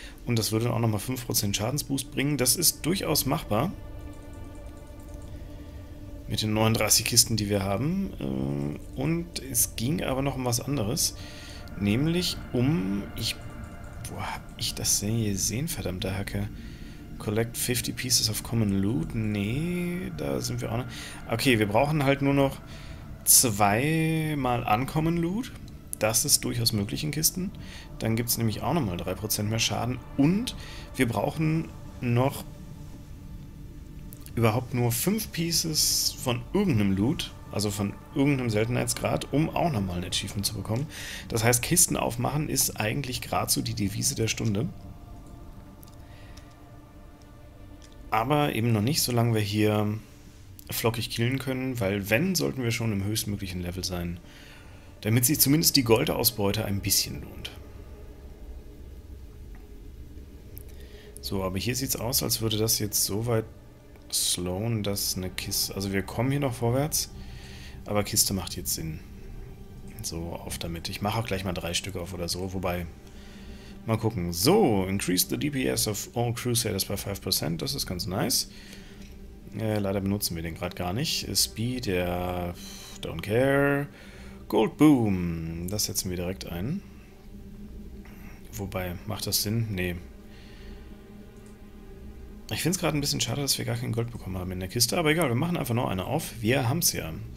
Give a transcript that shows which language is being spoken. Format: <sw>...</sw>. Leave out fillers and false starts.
<de>Und das würde auch nochmal 5% Schadensboost bringen. Das ist durchaus machbar. Mit den 39 Kisten, die wir haben. Und es ging aber noch um was anderes. Nämlich um... Wo habe ich das denn gesehen, verdammte Hacke?</de> <en>Collect 50 pieces of common loot?</en> <de>Nee, da sind wir auch noch. Okay, wir brauchen halt nur noch zweimal</de> <en>uncommon loot.</en> <de>Das ist durchaus möglich in Kisten. Dann gibt es nämlich auch nochmal 3% mehr Schaden. Und wir brauchen noch überhaupt nur 5</de> <en>pieces</en> <de>von irgendeinem Loot, also von irgendeinem Seltenheitsgrad, um auch nochmal ein Achievement zu bekommen. Das heißt, Kisten aufmachen ist eigentlich gerade so die Devise der Stunde. Aber eben noch nicht, solange wir hier flockig killen können, weil wenn, sollten wir schon im höchstmöglichen Level sein, damit sich zumindest die Goldausbeute ein bisschen lohnt. So, aber hier sieht es aus, als würde das jetzt so weit slowen, dass eine Kiste... Also wir kommen hier noch vorwärts, aber Kiste macht jetzt Sinn. So, auf damit. Ich mache auch gleich mal 3 Stück auf oder so, wobei... Mal gucken.</de> <en>So, increase the DPS of all Crusaders by 5%.</en> <de>Das ist ganz nice. Leider benutzen wir den gerade gar nicht. Speed, ja,</de> <en>don't care.</en> <de>Gold Boom, das setzen wir direkt ein. Wobei, macht das Sinn? Nee. Ich finde es gerade ein bisschen schade, dass wir gar kein Gold bekommen haben in der Kiste. Aber egal, wir machen einfach noch eine auf. Wir haben es ja.</de>